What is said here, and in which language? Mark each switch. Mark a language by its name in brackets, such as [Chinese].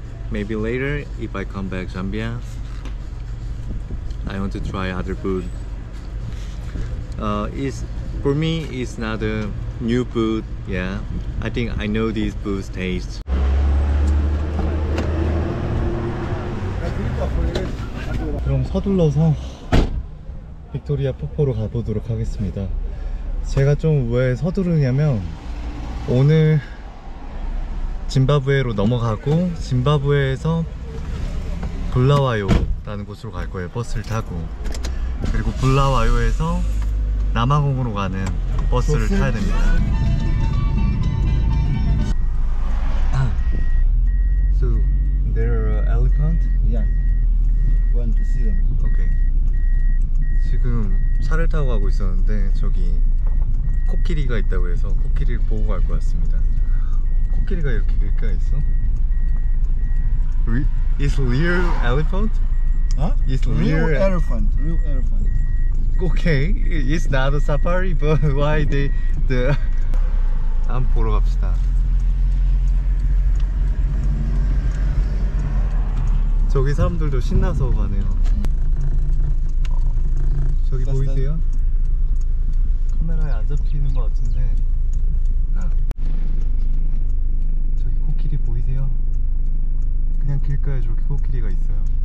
[English] Maybe later, if I come back Zambia, I want to try other food. It's For me, it's not a new food. Yeah, I think I know these foods taste. [Korean] So, 서둘러서 빅토리아 폭포로 가보도록 하겠습니다. 제가 좀 왜 서두르냐면 오늘 짐바브웨로 넘어가고 짐바브웨에서 불라와요라는 곳으로 갈 거예요. 버스를 타고 그리고 불라와요에서 남아공으로 가는 버스를 타야 됩니다. [English] So there are elephants? Yeah. Want to see them? Okay. [Korean] 지금 차를 타고 가고 있었는데 저기 코끼리가 있다고 해서 코끼리를 보고 갈 것 같습니다. 코끼리가 이렇게 길가 있어? [English] Is real elephant? Huh? Is real elephant? Real elephant. Okay, it's not a safari, but why the [Korean] 한번 보러 갑시다. 저기 사람들도 신나서 가네요. 저기 보이세요? 카메라에 안 잡히는 것 같은데. 저기 코끼리 보이세요? 그냥 길가에 저렇게 코끼리가 있어요.